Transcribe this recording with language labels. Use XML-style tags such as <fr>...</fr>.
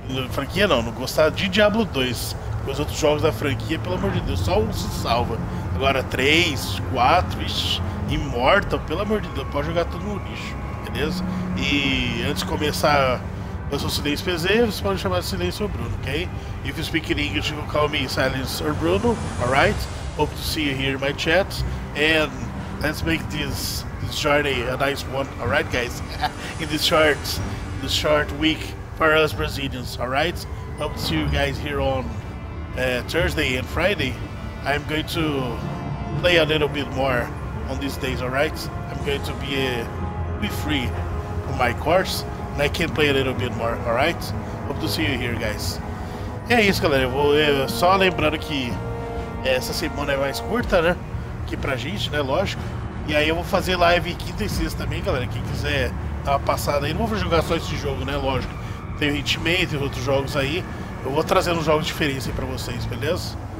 <pt>Franquia não, não gostar de Diablo 2. Com os outros jogos da franquia, pelo amor de Deus, só um se salva. Agora 3, 4, ixi, Immortal, pelo amor de Deus, pode jogar tudo no lixo, beleza? E antes de começar, eu sou o Silêncio PZ, você pode chamar de Silêncio Bruno, ok?</pt> <en>If you speak in English, you can call me Silêncio Bruno, alright? Hope to see you here in my chat. And let's make this journey a nice one, alright, guys? In this short week for us Brazilians, alright? Hope to see you guys here on Thursday and Friday. I'm going to play a little bit more on these days, alright? I'm going to be free from my course. And I can play a little bit more, alright? Hope to see you here, guys.</en> <pt>E é isso, galera. Só lembrando que essa semana é mais curta, né? Que pra gente, né? Lógico. E aí eu vou fazer live quinta e sexta também, galera. Quem quiser dar uma passada aí. Não vou jogar só esse jogo, né? Lógico. Tem o Hitman, tem outros jogos aí. Eu vou trazendo jogos diferentes aí pra vocês, beleza?</pt>